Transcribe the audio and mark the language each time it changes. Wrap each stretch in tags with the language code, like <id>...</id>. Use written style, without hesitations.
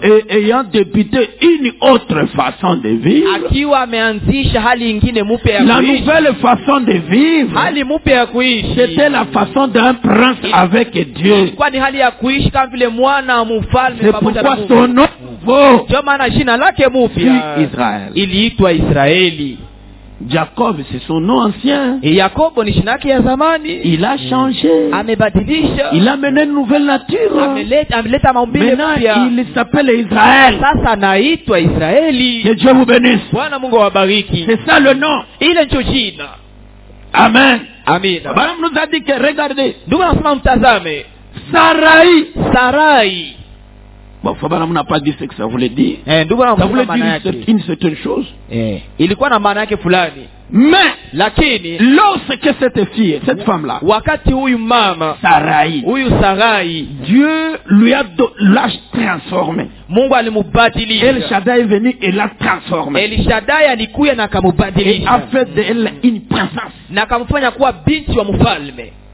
<fr>Ayant débuté une autre façon de vivre.</fr> <sw>Akiwa ameanzisha hali nyingine mpya ya kuishi.</sw> <fr>La nouvelle façon de vivre.</fr> <sw>Hali mpya ya kuishi.</sw> <fr>C'était la façon d'un prince avec Dieu.</fr> <sw>Kwani hali ya kuishi kama vile mwana wa mfalme pamoja na Mungu. Kwa maana jina lake mupya Israeli. Iliitwa Israeli.</sw> <fr>Jacob c'est son nom ancien.</fr> <sw>Et Jacob ni jina lake ya zamani.</sw> <fr>Il a changé.</fr> <sw>Amebadilisha.</sw> <fr>Il a mené une nouvelle nature.</fr> <sw>Ameleta maumbile mapya.</sw> <fr>Il s'appelle Israël.</fr> <sw>Sasa anaitwa Israeli.</sw> <fr>Que Dieu vous bénisse.</fr> <sw>Bwana Mungu awabariki.</sw> <fr>C'est ça le nom.</fr> <sw>Ile ndio jina.</sw> <fr>Amen.</fr> <sw>Amen.</sw> <fr>Abraham nous a dit que regardez. Nous allons nous mettre Sarai. Sarai. Bon, Abraham n'a pas dit ce que ça voulait dire. Nous ça voulait dire une certaine chose.</fr> <sw>Il quoi na manake fulani.</sw> <fr>Mais,</fr> <sw>lakini,</sw> <fr>lorsque cette fille, cette femme-là,</fr> <sw>wakati huyu mama,</sw> <fr>Sarai,</fr> <sw>huyu Sarai,</sw> <fr>Dieu lui a l'a transformé.</fr> <sw>Mungu alimubadilisha.</sw> <fr>El Shaddai est venu et l'a transformé.</fr> <sw>El Shaddai alikuya na kamubadilisha.</sw> <fr>Et a fait de elle une princesse.</fr> <sw>Na kamufanya kuwa binti wa mfalme.</sw>